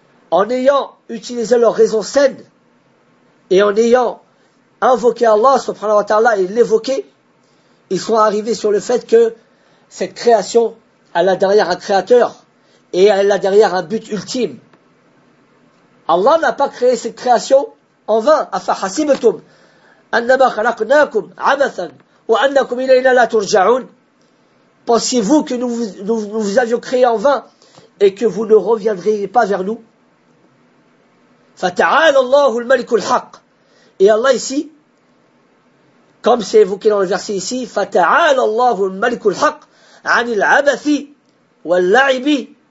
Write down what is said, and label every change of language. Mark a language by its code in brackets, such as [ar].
[fr] En ayant utilisé leur raison saine, et en ayant invoqué Allah, subhanahu wa ta'ala, et l'évoqué, ils sont arrivés sur le fait que cette création, elle a derrière un créateur, et elle a derrière un but ultime. Allah n'a pas créé cette création en vain. [ar] Afa hasibtum أَنَّمَا خَلَقْنَاكُمْ عَبَثًا وَأَنَّكُمْ إِلَيْنَا لَا تُرْجَعُونَ. [fr] Pensez-vous que nous vous avions créé en vain et que vous ne reviendrez pas vers nous? [ar] فَتَعَالَ اللَّهُ الْمَلِكُ الْحَقِّ. [fr] Et Allah ici, comme c'est évoqué dans le verset ici, [ar] فَتَعَالَ اللَّهُ الْمَلِكُ الْحَقِّ عَنِ الْعَبَثِ وَاللَّعِبِ